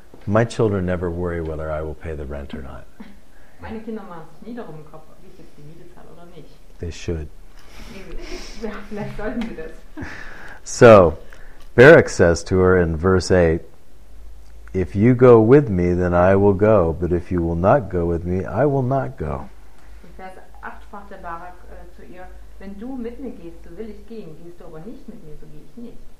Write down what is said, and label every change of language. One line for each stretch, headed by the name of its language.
English: My children never worry whether I will pay the rent or not.
German: Meine Kinder machen sich nie darum im Kopf, ob ich jetzt die Miete zahle oder nicht.
English: They should.
German: Ja, vielleicht sollten sie das.
English: So, Barak says to her in verse 8, if you go with me, then I will go. But if you will not go with me, I will not go.
German: In Vers 8 sprach der Barak zu ihr, wenn du mit mir gehst, so will ich gehen. Gehst du aber nicht mit mir, so gehe ich nicht.